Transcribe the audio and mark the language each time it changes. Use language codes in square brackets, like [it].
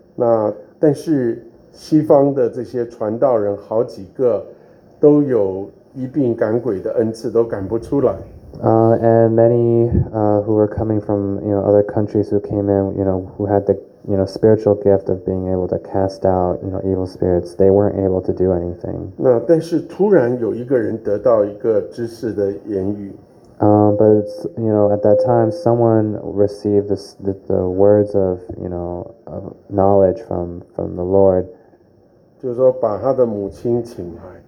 [zh] 那但是西方的这些传道人好几个都有一并赶鬼的恩赐，都赶不出来。 [en] And many who were coming from, you know, other countries who came in, you know, who had the, you know, spiritual gift of being able to cast out, you know, evil spirits, they weren't able to do anything. [zh] 那但是突然有一个人得到一个知识的言语。 [en] But it's, you know, at that time, someone received this, the words of, you know, of knowledge from the Lord. [zh] 就是说把他的母亲请来。